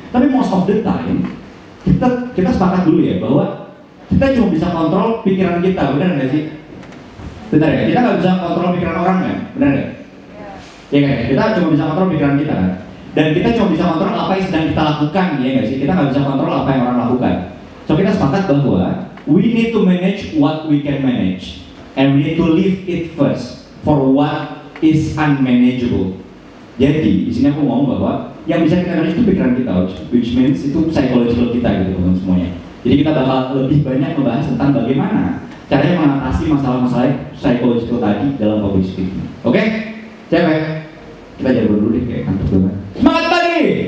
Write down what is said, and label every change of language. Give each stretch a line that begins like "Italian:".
Indonesian: Tapi
English: most of the time
Indonesian: kita sepakat dulu ya bahwa kita cuma bisa kontrol pikiran kita, benar nggak sih? Bentar ya, kita nggak bisa kontrol pikiran orang kan, benar nggak? Ya kan, kita cuma bisa kontrol pikiran kita kan, dan kita cuma bisa kontrol apa yang sedang kita lakukan, ya nggak sih? Kita nggak bisa kontrol apa yang orang lakukan.
English: So
Indonesian: kita sepakat bahwa
English: we need to manage what we can manage and we need to leave it first for what is unmanageable.
Indonesian: Jadi di sini aku ngomong bahwa yang bisa kita manage itu pikiran kita,
English: which means
Indonesian: itu psychological kita gitu teman-teman semuanya. Jadi kita bakal lebih banyak membahas tentang bagaimana caranya mengatasi masalah-masalah psychological tadi dalam public speaking. Oke? Okay? Cewek, kita jadi berdua deh kayak kantor gimana? Semangat pagi!